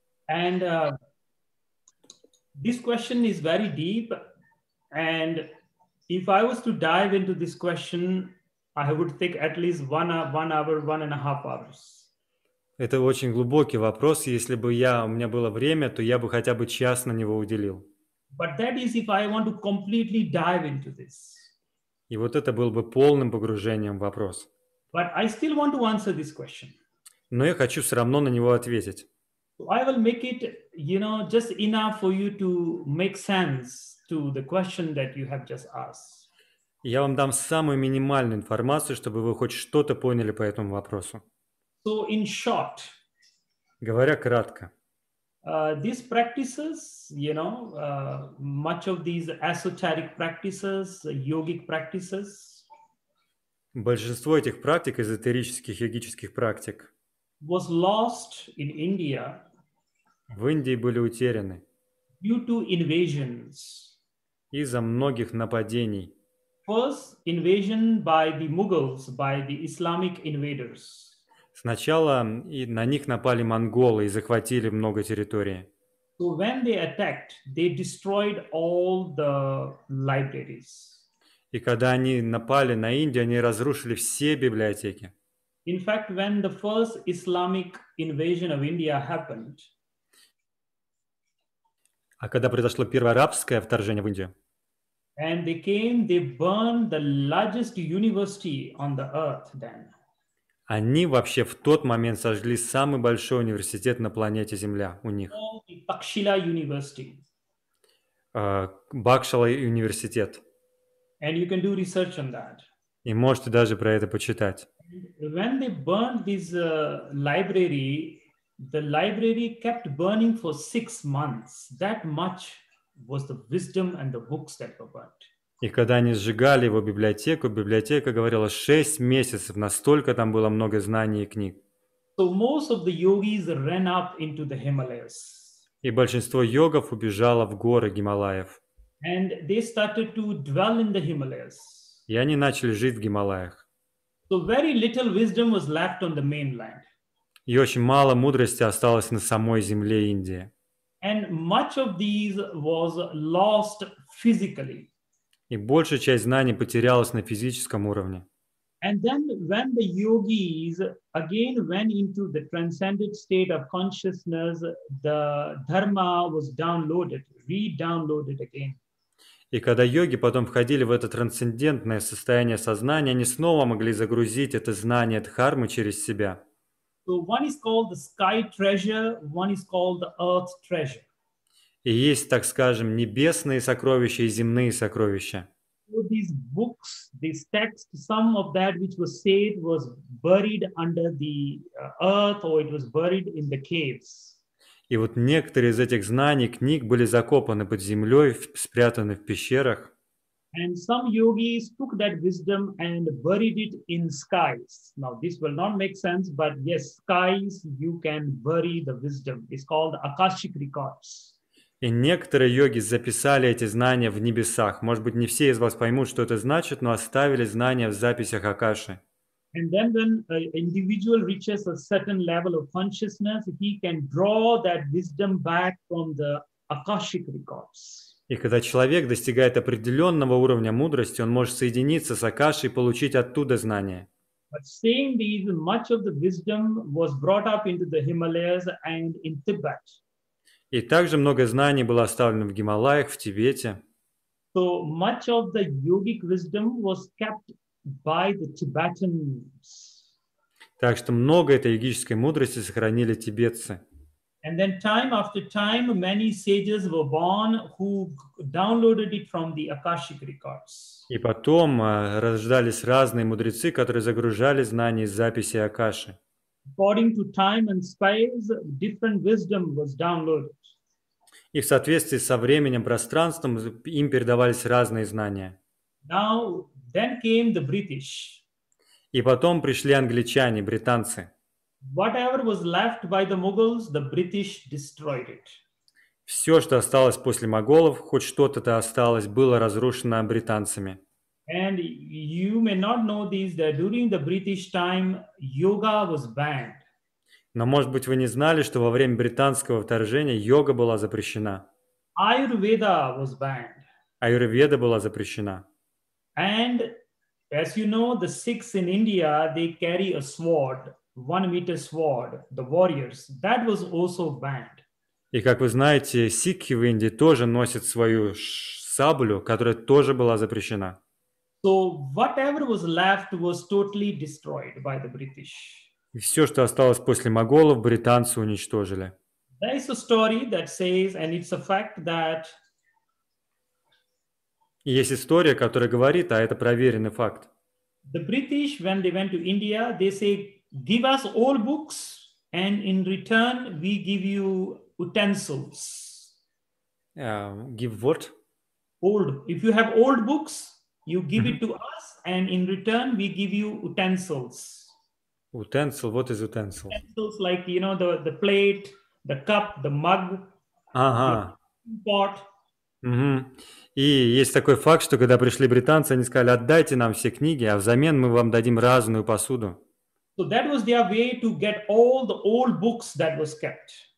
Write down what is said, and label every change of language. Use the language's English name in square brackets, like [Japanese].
[English] And this question is very deep, and if I was to dive into this question, I would take at least one hour, 1.5 hours. [Russian] Это очень глубокий вопрос. Если бы у меня было время, то я бы хотя бы час на него уделил. [English] But that is if I want to completely dive into this. [Russian] И вот это был бы полным погружением в вопрос. [English] But I still want to answer this question. [Russian] Но я хочу все равно на него ответить. [English] I will make it, you know, just enough for you to make sense to the question that you have just asked. [Russian] Я вам дам самую минимальную информацию, чтобы вы хоть что-то поняли по этому вопросу. [English] So in short. [Russian] Говоря кратко. [English] These practices, you know, much of these esoteric practices, yogic practices. [Russian] Большинство этих практик, эзотерических йогических практик, [English] was lost in India. [Russian] В Индии были утеряны. [English] Due to invasions. [Russian] Из-за многих нападений. [English] First invasion by the Mughals, by the Islamic invaders. [Russian] Сначала на них напали монголы и захватили много территории. [English] So when they attacked, they destroyed all the libraries. [Russian] И когда они напали на Индию, они разрушили все библиотеки. [English] In fact, when the first Islamic invasion of India happened, [Russian] а когда произошло первое арабское вторжение в Индию, [English] and they came, they burned the largest university on the earth then. [Russian] Они вообще в тот момент сожгли самый большой университет на планете Земля у них. Такшила университет. Бакшала университет. [English] And you can do research on that. [Russian] И можете даже про это почитать. [English] When they burned this library, the library kept burning for 6 months. That much was the wisdom and the books that were burnt. [Russian] И когда они сжигали его библиотеку, библиотека говорила 6 месяцев, настолько там было много знаний и книг. [English] So most of the yogis ran up into the Himalayas. [Russian] И большинство йогов убежало в горы Гималаев. [English] And they started to dwell in the Himalayas. [Russian] И они начали жить в Гималаях. [English] So very little wisdom was left on the mainland. [Russian] И очень мало мудрости осталось на самой земле Индии. [English] And much of these was lost physically. [Russian] И большая часть знаний потерялась на физическом уровне. [English] And then when the yogis again went into the transcended state of consciousness, the dharma was downloaded, re-downloaded again. [Russian] И когда йоги потом входили в это трансцендентное состояние сознания, они снова могли загрузить это знание дхармы через себя. [English] So one is called the sky treasure, one is called the earth treasure. [Russian] И есть, так скажем, небесные сокровища и земные сокровища. [English] So these books, these texts, some of that which was said was buried under the earth, or it was buried in the caves. [Russian] И вот некоторые из этих знаний, книг были закопаны под землей, спрятаны в пещерах. [English] And some yogis took that wisdom and buried it in skies. Now, this will not make sense, but yes, skies, you can bury the wisdom. It's called Akashic Records. [Russian] И некоторые йоги записали эти знания в небесах. Может быть, не все из вас поймут, что это значит, но оставили знания в записях Акаши. [English] And then when an individual reaches a certain level of consciousness, he can draw that wisdom back from the Akashic Records. [Russian] И когда человек достигает определенного уровня мудрости, он может соединиться с Акашей и получить оттуда знания. [English] But saying this, much of the wisdom was brought up into the Himalayas and in Tibet. [Russian] И также много знаний было оставлено в Гималаях, в Тибете. [English] So much of the yogic wisdom was kept by the Tibetans. [Russian] Так что много этой йогической мудрости сохранили тибетцы. [English] And then time after time, many sages were born who downloaded it from the Akashic Records. [Russian] И потом рождались разные мудрецы, которые загружали знания из записи Акаши. [English] According to time and space, different wisdom was downloaded. [Russian] И в соответствии со временем, пространством, им передавались разные знания. [English] Now, then came the British. [Russian] И потом пришли англичане, британцы. [English] Whatever was left by the Mughals, the British destroyed it. [Russian] Все, что осталось после моголов, хоть что-то-то осталось, было разрушено британцами. [English] And you may not know this, that during the British time, yoga was banned. [Russian] Но, может быть, вы не знали, что во время британского вторжения йога была запрещена. [English] Ayurveda was banned. [Russian] Аюрведа была запрещена. [English] And, as you know, the Sikhs in India, they carry a sword, 1 meter sword, the warriors. That was also banned. [Russian] И, как вы знаете, сикхи в Индии тоже носят свою саблю, которая тоже была запрещена. [English] So whatever was left was totally destroyed by the British. [Russian] Все, что осталось после моголов, британцы уничтожили. [English] There is a story that says, and it's a fact that... [Russian] Есть история, которая говорит, а это проверенный факт. [English] The British, when they went to India, they say, give us all books, and in return we give you utensils. Give what? Old. If you have old books... You give it to us, and in return, we give you utensils. Utensil? What is utensil? Utensils like, you know, the plate, the cup, the mug, the pot. Mm-hmm. [Russian] И есть такой факт, что когда пришли британцы, они сказали, отдайте нам все книги, а взамен мы вам дадим разную посуду. [English] So that was their way to get all the old books that was kept.